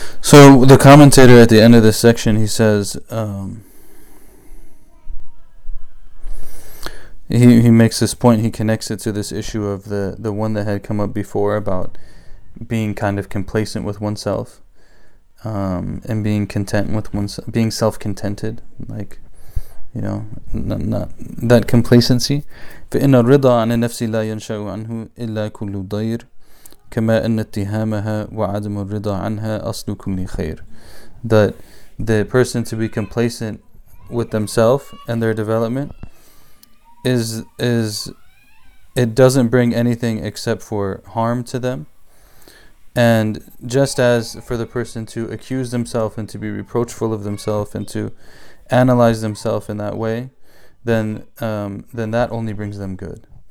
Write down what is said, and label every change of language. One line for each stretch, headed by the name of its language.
English: The commentator at the end of this section, he says, he makes this point, he connects it to this issue of the one that had come up before about being kind of complacent with oneself, and being content with oneself, being self-contented, like, you know, not that complacency.
Arabic: فَإِنَّ الرِّضَى عَنَ النَّفْسِ لَا يَنْشَأُ عَنْهُ إِلَّا كُلُّ ضَيْرٍ كما أن اتهامها وعدم الرضا عنها أصل كل خير.
English: That the person to be complacent with themselves and their development is it doesn't bring anything except for harm to them. And just as for the person to accuse themselves and to be reproachful of themselves and to analyze themselves in that way, then that only brings them good.